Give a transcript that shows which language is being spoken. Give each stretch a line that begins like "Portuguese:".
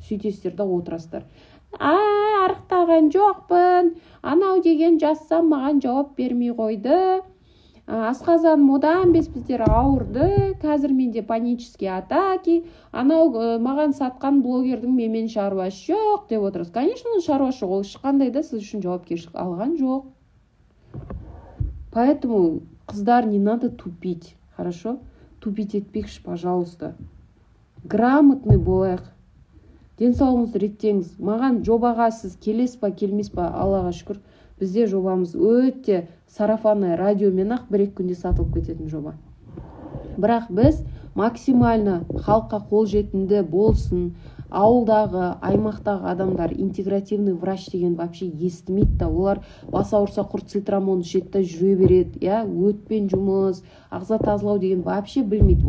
Kazakh: Сөйтесіздер де отырасыздар. Ай, арықтаған жоқпын, анау деген жазсам маған жауап бермей қойды, асқазан мұдан бес біздер ауырды, қазір менде панический атаки, анау маған сатқан блогердің менмен шаруасы жоқ деп отырсыз. Конечно, шаруасы ол шыққандай да сіз үшін жауапкершілік алған жоқ.
Russian: Поэтому,
Kazakh: қыздар,
Russian: не надо тупить, хорошо?
Kazakh: Тупить етпекші,
Russian: пожалуйста.
Kazakh: Грамотный болайық. Денсаулығыңызды реттеңіз. Маған жобаға сіз келесіз ба, келмес ба, Аллаға шүкір. Бізде жобамыз өте
Russian: сарафанное радио
Kazakh: мен ақ бір екі күнде сатылып кететін жоба. Бірақ біз максимально халыққа қол жетінді болсын, ауылдағы, аймақтағы адамдар интегративный врач деген вообще естімейді та, олар бас ауырса құрт цитрамон ішеді, жүре береді, иә, өтпен жұмыс, ағза тазалау деген вообще білмейді.